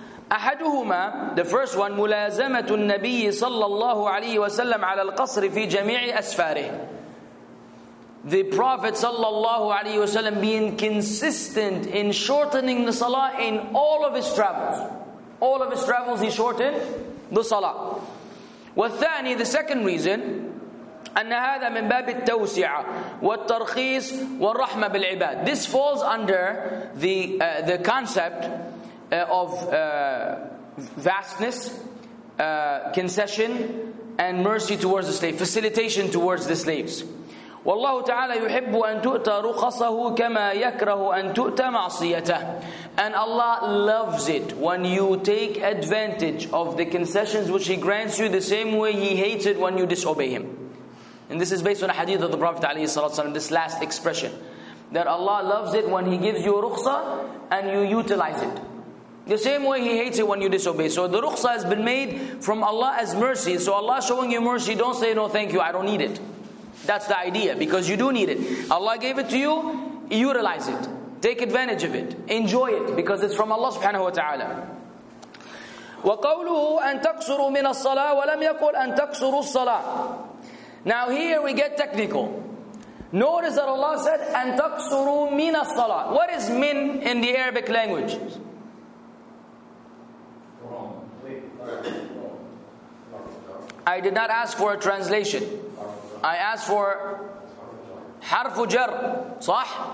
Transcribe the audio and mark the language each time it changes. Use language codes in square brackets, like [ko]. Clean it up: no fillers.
[ar] أحدهما, [en] the first one, [ar] ملازمة النبي صلى الله عليه وسلم على القصر في جميع أسفاره. [en] The Prophet صلى الله عليه وسلم being consistent in shortening the salah in all of his travels. All of his travels he shortened the salah. [ar] والثاني, [en] the second reason, [ar] أن هذا من باب التوسعة والترخيص والرحمة بالعباد. [en] This falls under the concept of vastness, concession, and mercy towards the slave, facilitation towards the slaves. [ar] وَاللَّهُ تَعَالَى يُحِبُّ أَن تُؤْتَى رُخَصَهُ كَمَا يَكْرَهُ أَن تُؤْتَى مَعْصِيَتَهُ. [en] And Allah loves it when you take advantage of the concessions which He grants you the same way He hates it when you disobey Him. And this is based on a hadith of the Prophet ﷺ, this last expression. That Allah loves it when He gives you rukhsa and you utilize it. The same way He hates it when you disobey. So the rukhsa has been made from Allah as mercy. So Allah showing you mercy, don't say, no thank you, I don't need it. That's the idea, because you do need it. Allah gave it to you, utilize it. Take advantage of it. Enjoy it, because it's from Allah subhanahu wa ta'ala. [ar] وَقَوْلُهُ أَن تَقْصُرُوا مِنَ الصَّلَاةِ وَلَمْ يَقُلْ أَن تَقْصُرُوا الصَّلَاةِ. [en] Now here we get technical. Notice that Allah said, "And taqsuru min as-salah." What is min in the Arabic language? I did not ask for a translation. I asked for harfu jar, صح?